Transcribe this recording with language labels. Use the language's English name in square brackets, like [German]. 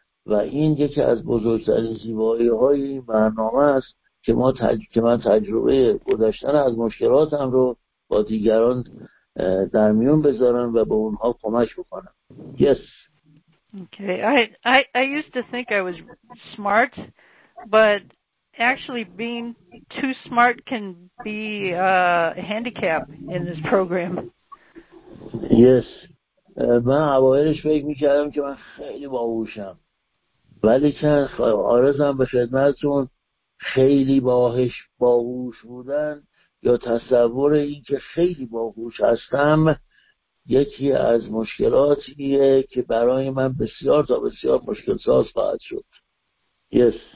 [Persian] و این یکی از بزرگترین زیبایی های این برنامه است که من تجربه گذشتن از مشکلاتم رو با دیگران در میون بذارم و به اونها کمک بکنم. [English] Yes. Okay. I used to think I was smart, but actually being too smart can be a handicap in this program. Yes. [Persian] من اوائلش فکر میکردم که من خیلی باهوشم، ولی چند آرزم به خدمتون خیلی باهوش بودن یا تصور این که خیلی باهوش هستم یکی از مشکلاتیه که برای من بسیار تا بسیار مشکل ساز خواهد شد. [English] Yes.